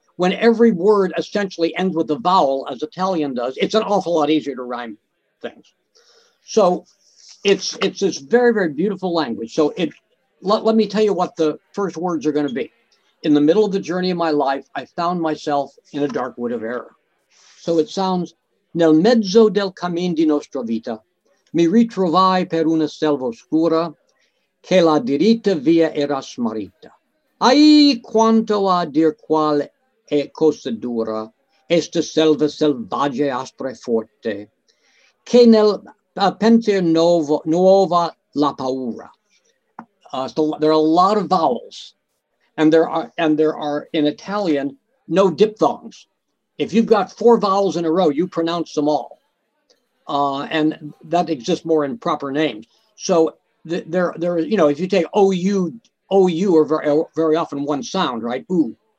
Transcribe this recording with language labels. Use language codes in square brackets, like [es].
[en] When every word essentially ends with a vowel, as Italian does, it's an awful lot easier to rhyme things. So it's this very, very beautiful language. So let me tell you what the first words are going to be. In the middle of the journey of my life, I found myself in a dark wood of error. So it sounds, [it] nel mezzo del cammin di nostra vita, mi ritrovai per una selva oscura, che la diritta via era smarrita. Ai quanto a dir qual e cosa dura, esta selva selvaggia aspra e forte, che nel pensier nuova la paura. [en] So there are a lot of vowels, and there are in Italian no diphthongs. If you've got four vowels in a row, you pronounce them all, and that exists more in proper names. So there you know, if you take OU are very often one sound, right? Ooh.